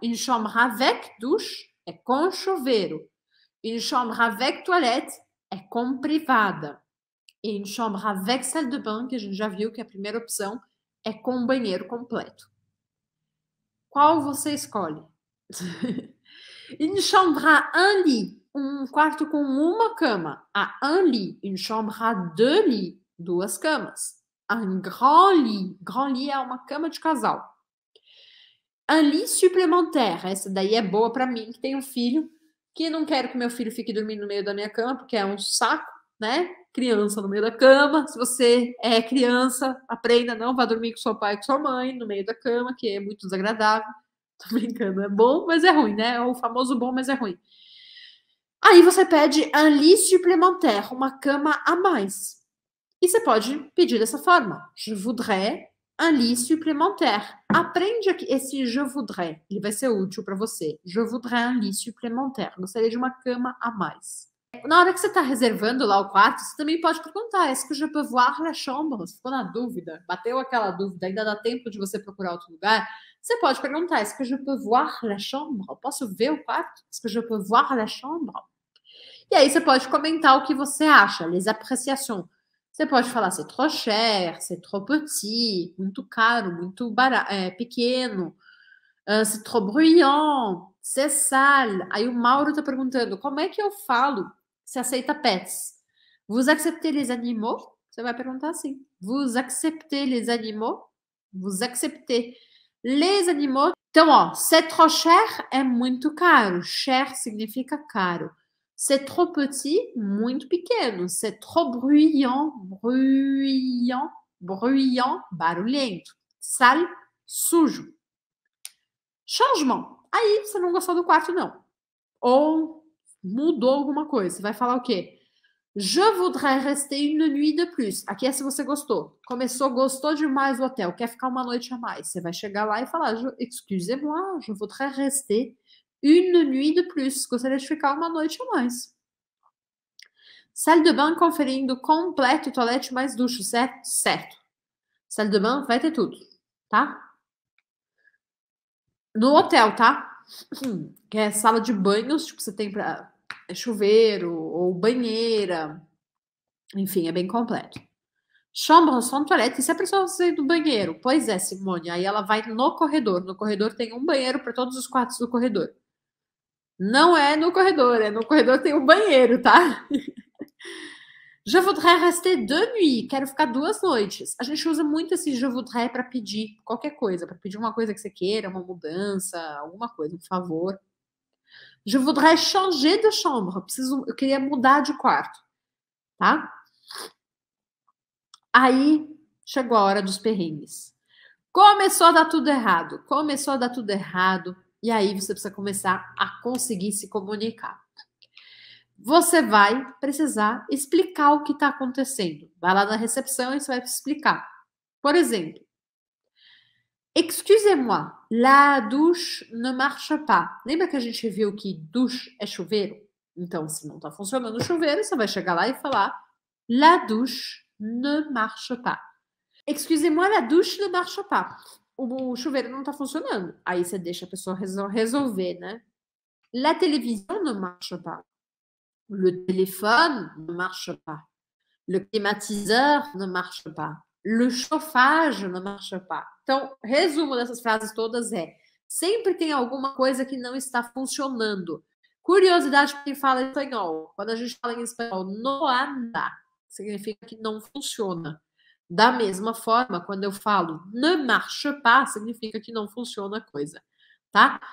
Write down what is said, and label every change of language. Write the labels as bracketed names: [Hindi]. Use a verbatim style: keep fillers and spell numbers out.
[French] Une chambre avec douche [Portuguese] é com chuveiro. [French] Une chambre avec toilette [Portuguese] é com privada. E [French] une chambre avec salle de bain, [Portuguese] que a gente já viu que a primeira opção é com banheiro completo. Qual você escolhe? [French] Une chambre à un lit, [Portuguese] um quarto com uma cama. [French] À un lit, une chambre à deux lits, [Portuguese] duas camas. [French] Un grand lit, grand lit [Portuguese] é uma cama de casal. [French] Un lit suplementaire, [Portuguese] essa daí é boa para mim, que tem um filho, que não quero que meu filho fique dormindo no meio da minha cama, porque é um saco, né? Criança no meio da cama, se você é criança, aprenda, não vá dormir com seu pai e com sua mãe no meio da cama, que é muito desagradável. Tô brincando, é bom, mas é ruim, né? É o famoso bom, mas é ruim. Aí você pede [French] un lit supplémentaire, [Portuguese] uma cama a mais. E você pode pedir dessa forma, [French] je voudrais... Un lit supplémentaire. [Portuguese] Aprende aqui esse je voudrais. Ele vai ser útil para você. [French] Je voudrais un lit supplémentaire. [Portuguese] Gostaria de uma cama a mais. Na hora que você está reservando lá o quarto, você também pode perguntar. [French] Est-ce que je peux voir la chambre? [Portuguese] Ficou na dúvida? Bateu aquela dúvida? Ainda dá tempo de você procurar outro lugar? Você pode perguntar. [French] Est-ce que je peux voir la chambre? [Portuguese] Posso ver o quarto? [French] Est-ce que je peux voir la chambre? [Portuguese] E aí você pode comentar o que você acha. Les appréciations. Você pode falar, [French] c'est trop cher, c'est trop petit, [Portuguese] muito caro, muito barato, é, pequeno, uh, [French] c'est trop bruyant, c'est sale. [Portuguese] Aí o Mauro tá perguntando, como é que eu falo se aceita pets? [French] Vous acceptez les animaux? [Portuguese] Você vai perguntar assim. [French] Vous acceptez les animaux? Vous acceptez les animaux? [Portuguese] Então, ó, [French] c'est trop cher [Portuguese] é muito caro. Cher significa caro. [French] C'est trop petit, [Portuguese] muito pequeno. [French] C'est trop bruyant, bruyant, bruyant, barulhento. [Portuguese] Sale, sujo. Changement. Aí você não gostou do quarto, não. Ou mudou alguma coisa. Você vai falar o quê? [French] Je voudrais rester une nuit de plus. [Portuguese] Aqui é se você gostou. Começou, gostou demais do hotel. Quer ficar uma noite a mais. Você vai chegar lá e falar, [French] excusez-moi, je voudrais rester... Une nuit de plus. [Portuguese] Gostaria de ficar uma noite a mais. Salle de bain conferindo completo, toalete mais ducho, certo? Certo. Salle de bain vai ter tudo, tá? No hotel, tá? que é sala de banhos, tipo, você tem pra chuveiro ou banheira. Enfim, é bem completo. Chambre, só no toalete. E se a pessoa sair do banheiro? Pois é, Simone. Aí ela vai no corredor. No corredor tem um banheiro para todos os quartos do corredor. Não é no corredor, é no corredor tem um banheiro, tá? [French] Je voudrais rester deux nuits. [Portuguese] Quero ficar duas noites. A gente usa muito esse je voudrais para pedir qualquer coisa, para pedir uma coisa que você queira, uma mudança, alguma coisa, um favor. [French] Je voudrais changer de chambre. [Portuguese] Preciso, eu queria mudar de quarto, tá? Aí chegou a hora dos perrengues. Começou a dar tudo errado. Começou a dar tudo errado. E aí você precisa começar a conseguir se comunicar. Você vai precisar explicar o que está acontecendo. Vai lá na recepção e você vai explicar. Por exemplo, [French] excusez-moi, la douche ne marche pas. [Portuguese] Lembra que a gente viu que douche é chuveiro? Então, se não está funcionando o chuveiro, você vai chegar lá e falar [French] la douche ne marche pas. Excusez-moi, la douche ne marche pas. [Portuguese] O chuveiro não está funcionando. Aí você deixa a pessoa resol- resolver, né? [French] La télévision ne marche pas. Le téléphone ne marche pas. Le climatiseur ne marche pas. Le chauffage ne marche pas. [Portuguese] Então, resumo dessas frases todas é: sempre tem alguma coisa que não está funcionando. Curiosidade para quem fala espanhol. Quando a gente fala em espanhol, no anda, significa que não funciona. Da mesma forma, quando eu falo ne marche pas, significa que não funciona a coisa, tá?